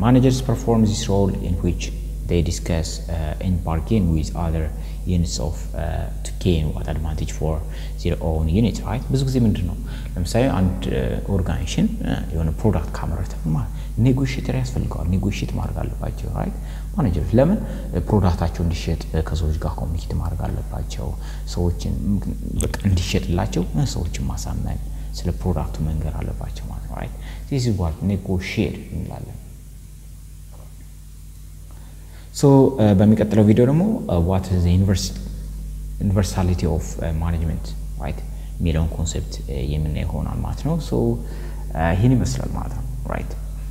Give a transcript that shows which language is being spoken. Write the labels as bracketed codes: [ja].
[en] Managers perform this role in which they discuss and bargain with other units of to gain what advantage for their own unit, right? [am] ብዙ ጊዜ ምንድነው ለምሳሌ አንድ ኦርጋኒዜሽን የሆነ ፕሮዳክት ካመረተ ኔጎሼተር ያስፈልጋል, ኔጎሼት ማድረግ አለባቸው, right? ማኔጀር ለምን ፕሮዳክታቸው እንዲሸጥ ከሰዎች ጋር ኮሙኒኬት ማድረግ አለባቸው, ሰዎችን በቃ እንዲሸጥላቸው ሰዎችን ማሳመን ስለ ፕሮዳክቱ መንገር አለባቸው ማለት ነው, right? [en] This is what negotiate [am] እንላለን. [en] So [am] በሚቀጥለው ቪዲዮ ደግሞ [en] what is the universality of management, right? [am] ሚለውን ኮንሴፕት የምናየው ሆናል ማለት ነው. So ይሄን ይመስላል ማለት ነው, right?